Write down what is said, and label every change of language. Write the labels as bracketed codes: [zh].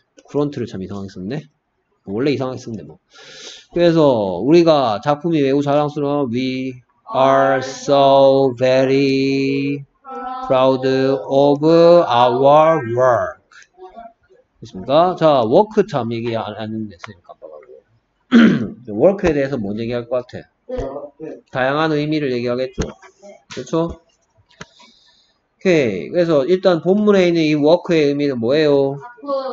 [ko] 프론트를 참 이상하게 썼네. 원래 이상하게 썼는데 뭐. 그래서 우리가 작품이 매우 자랑스러워. [en] We are so very proud of our work. [ko] 됐습니까? 자, 워크 참 얘기 안 했는데 선생님 깜빡하고. 워크에 대해서 뭔 얘기할 것 같아? 네. 다양한 의미를 얘기하겠죠. 그렇죠? 오케이. 그래서 일단 본문에 있는 이 워크의 의미는 뭐예요? 작품.